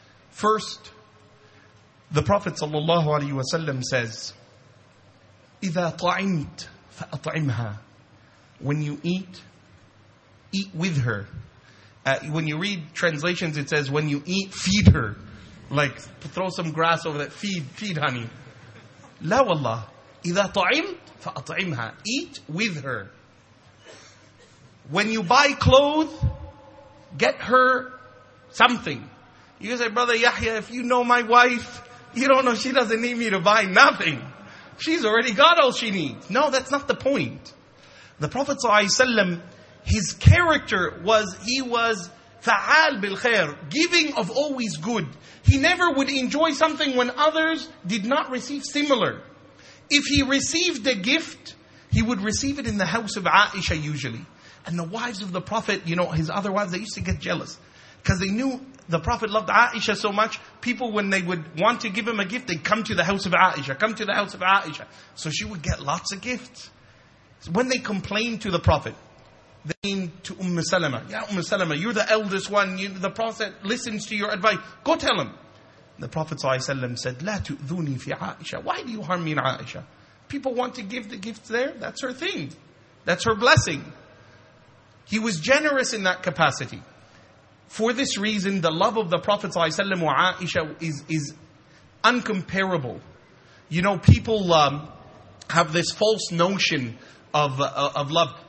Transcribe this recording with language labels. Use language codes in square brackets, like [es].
[en] First, the Prophet ﷺ says, [ar] إِذَا طَعِمْتْ فَأَطْعِمْهَا [en] When you eat, eat with her. When you read translations, it says, when you eat, feed her. Like, throw some grass over that, feed honey. [ar] لَا وَاللَّهِ إِذَا طَعِمْتْ فَأَطْعِمْهَا [en] Eat with her. When you buy clothes, get her something. You say, Brother Yahya, if you know my wife, you don't know she doesn't need me to buy nothing. She's already got all she needs. No, that's not the point. The Prophet ﷺ, his character was, he was [ar] fa'al bil khair, [en] giving of always good. He never would enjoy something when others did not receive similar. If he received a gift, he would receive it in the house of Aisha usually. And the wives of the Prophet, you know, his other wives, they used to get jealous. Because they knew the Prophet loved Aisha so much, people when they would want to give him a gift, they'd come to the house of Aisha, come to the house of Aisha. So she would get lots of gifts. So when they complained to the Prophet, they came to Umm Salama. Ya Umm Salama, you're the eldest one, the Prophet listens to your advice, go tell him. The Prophet ﷺ said, [ar] لا تؤذوني في عائشة. [en] Why do you harm me in Aisha? People want to give the gifts there, that's her thing. That's her blessing. He was generous in that capacity. For this reason, the love of the Prophet ﷺ wa Aisha is uncomparable. You know, people have this false notion of love.